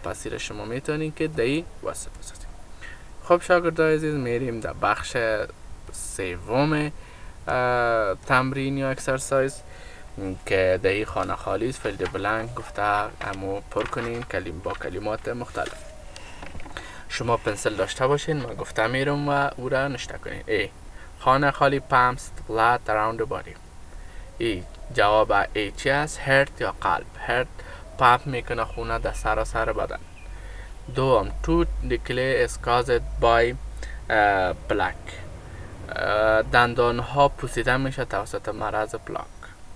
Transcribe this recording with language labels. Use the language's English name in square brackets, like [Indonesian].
[Persian] پس ایره شما میتونین که دهی وصل بسازیم. خب شاگردان عزیز، میریم در بخش سوم تمرین یا اکسرسایز که دهی خانه خالی فیلد بلانک گفته امو پر کنین کلیم با کلمات مختلف. شما پنسل داشته باشین، من گفته میرم و او را نشته کنین. ای خانه خالی [English] pumps blood around the body. [Persian] ای جواب ای چی هست؟ هرت یا قلب. هرت پاپ میکنه خونه در سر و سر بدن. دوم [English] tooth decay is caused by plaque، [Persian] دندان ها پوسیده میشه توسط مرض plaque.